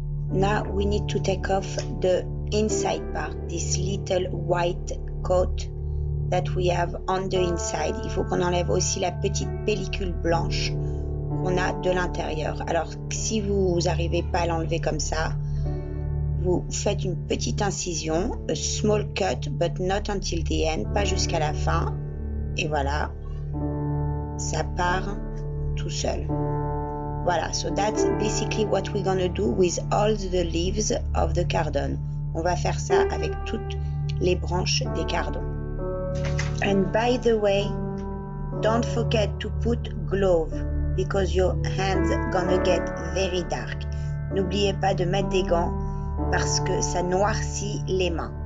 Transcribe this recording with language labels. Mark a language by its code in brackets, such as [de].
[en] Now we need to take off the inside part, this little white coat that we have on the inside. [fr] Il faut qu'on enlève aussi la petite pellicule blanche qu'on a de l'intérieur. Alors, si vous n'arrivez pas à l'enlever comme ça, vous faites une petite incision, [en] a small cut, but not until the end, [fr] pas jusqu'à la fin. Et voilà, ça part tout seul. [en] Voilà, so that's basically what we're gonna do with all the leaves of the cardon. [fr] On va faire ça avec toutes les branches des cardons. [en] And by the way, don't forget to put glove because your hands gonna get very dark. [fr] N'oubliez pas de mettre des gants parce que ça noircit les mains.